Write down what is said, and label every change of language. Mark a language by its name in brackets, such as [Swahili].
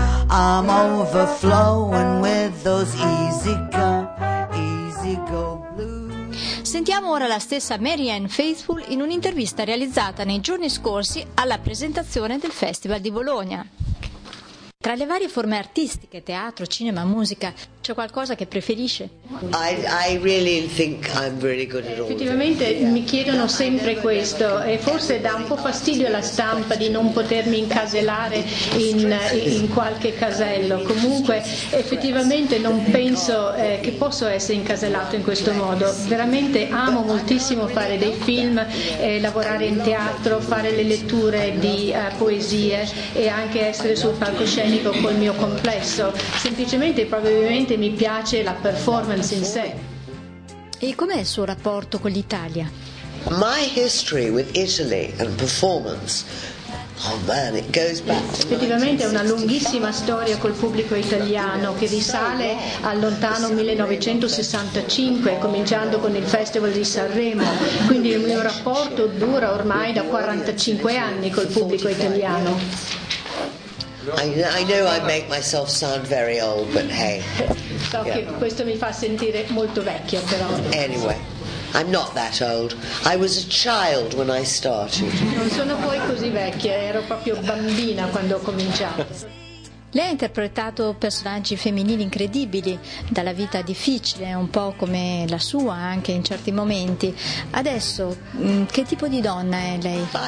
[English] I'm overflowing with those easy come, easy go blues. [Italian] Sentiamo ora la stessa Mary Ann Faithful in un'intervista realizzata nei giorni scorsi alla presentazione del Festival di Bologna. Tra le varie forme artistiche, teatro, cinema, musica, c'è qualcosa che preferisce? [English] I really think I'm really good at all. [Italian] Effettivamente mi chiedono sempre questo, e forse dà un po' fastidio alla stampa di non potermi incasellare in qualche casello. Comunque effettivamente non penso che posso essere incasellato in questo modo. Veramente amo moltissimo fare dei film, lavorare in teatro, fare le letture di poesie e anche essere sul palcoscenico col mio complesso. Semplicemente probabilmente mi piace la performance in sé. E com'è il suo rapporto con l'Italia? [English] My history with Italy and performance. Oh man, it goes back to [Italian] effettivamente è una lunghissima storia col pubblico italiano che risale al lontano 1965, cominciando con il Festival di Sanremo, quindi il mio rapporto dura ormai da 45 anni col pubblico italiano. [English] I know I make myself sound very old, but hey. [Italian] So che questo mi fa sentire molto vecchia, però. [English] Anyway. I'm not that old. I was a child when I started. [Italian] Non sono poi così vecchia, ero proprio bambina quando ho cominciato. Lei ha interpretato personaggi femminili incredibili, dalla vita difficile, un po' come la sua anche in certi momenti. Adesso, che tipo di donna è lei?